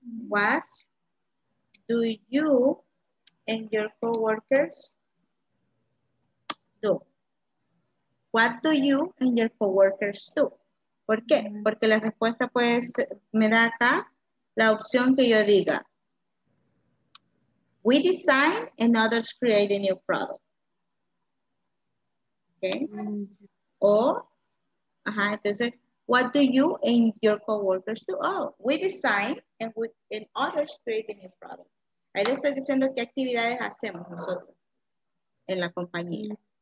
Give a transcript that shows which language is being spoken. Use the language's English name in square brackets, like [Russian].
[English] What do you and your coworkers do? What do you and your coworkers do? [Spanish] ¿Por qué? Porque la respuesta pues me da acá la opción que yo diga. [English] We design and others create a new product. Okay. [Spanish] O, ajá, entonces, [English] what do you and your coworkers do? Oh, we design and others create a new product. [Spanish] Ahí le estoy diciendo qué actividades hacemos nosotros en la compañía.